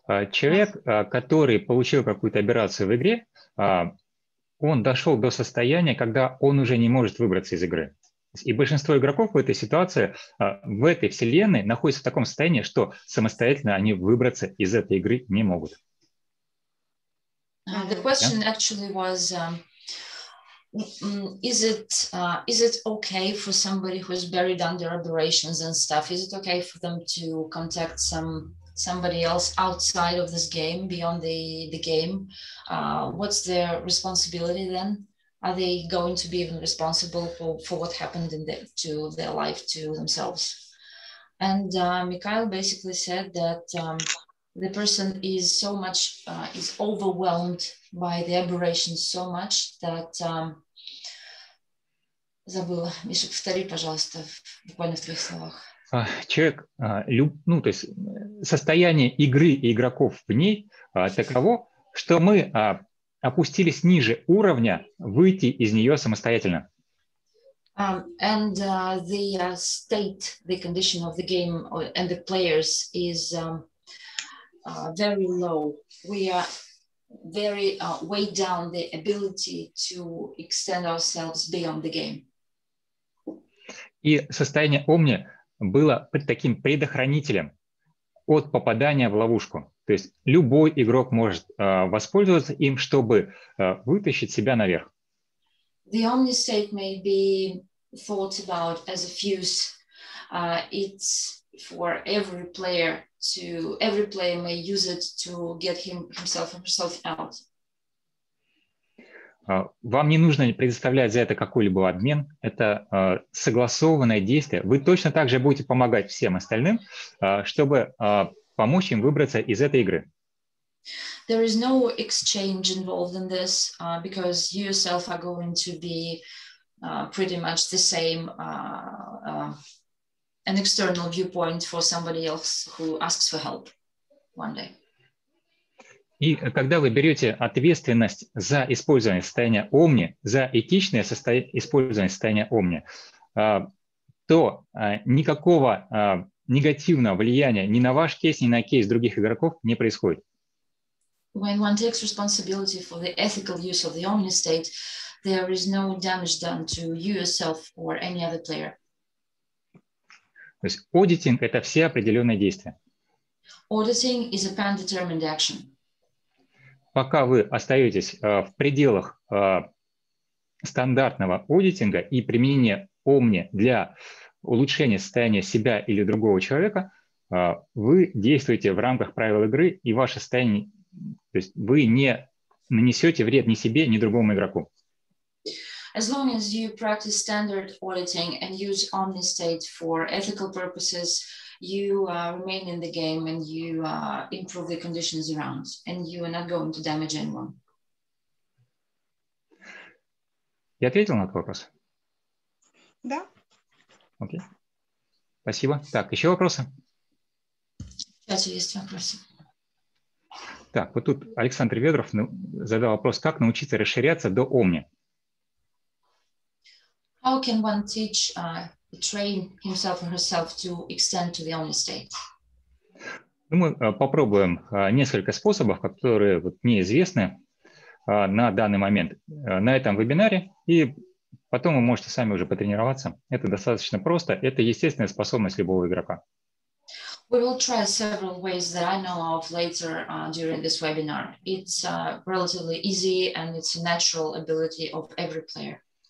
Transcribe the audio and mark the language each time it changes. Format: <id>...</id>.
<ru>Человек, который получил какую-то операцию в игре, он дошел до состояния, когда он уже не может выбраться из игры. И большинство игроков в этой ситуации, в этой вселенной, находятся в таком состоянии, что самостоятельно они выбраться из этой игры не могут.</ru> <en>The question actually was, is it okay for somebody who's buried under aberrations and stuff? Is it okay for them to contact somebody else outside of this game, beyond the game? What's their responsibility then? Are they going to be even responsible for what happened to their life, to themselves? And Mikhail basically said that the person is so much, is overwhelmed by the aberration so much that,</en> <ru>забыла, Миша, повтори, пожалуйста, буквально в твоих словах. Человек, то есть состояние игры и игроков в ней таково, что мы опустились ниже уровня выйти из нее самостоятельно.</ru> <en>And the state, the condition of the game and the players is very low. We are very weighed down the ability to extend ourselves beyond the game.</en> <ru>И состояние омни было таким предохранителем от попадания в ловушку. То есть любой игрок может воспользоваться им, чтобы вытащить себя наверх.</ru> <en>The omni state may be thought about as a fuse. It's for every player may use it to get himself or herself out.</en> <ru>Вам не нужно предоставлять за это какой-либо обмен. Это согласованное действие. Вы точно так же будете помогать всем остальным, чтобы помочь им выбраться из этой игры.</ru> <en>There is no exchange involved in this, because you yourself are going to be pretty much the same, an external viewpoint for somebody else who asks for help one day.</en> <ru>И когда вы берете ответственность за использование состояния омни, за этичное использование состояния омни, то никакого негативного влияния ни на ваш кейс, ни на кейс других игроков не происходит.</ru> <en>When one takes responsibility for the ethical use of the omni state, there is no damage done to you yourself or any other player.</en> <ru>То есть auditing – это все определенные действия.</ru> <en>Auditing is a predetermined action.</en> <ru>Пока вы остаетесь в пределах стандартного аудитинга и применения Omni для улучшения состояния себя или другого человека, вы действуете в рамках правил игры, и ваше состояние, то есть вы не нанесете вред ни себе, ни другому игроку.</ru> <en>As long as you practice standard auditing and use Omni State for ethical purposes, you remain in the game and you improve the conditions around, and you are not going to damage anyone.</en> <ru>Я ответил на этот вопрос? Да. Окей. Спасибо. Так, еще вопросы? Сейчас есть вопросы. Так, вот тут Александр Ведров задал вопрос, как научиться расширяться до Omni?</ru> <en>How can one teach, train himself or herself to extend to the Omni state?</en> <ru>Ну, мы попробуем несколько способов, которые вот мне известны на данный момент на этом вебинаре, и потом вы можете сами уже потренироваться. Это достаточно просто, это естественная способность любого игрока.</ru> <en>We will try several ways that I know of later during this webinar. It's relatively easy and it's a natural ability of every player.</en>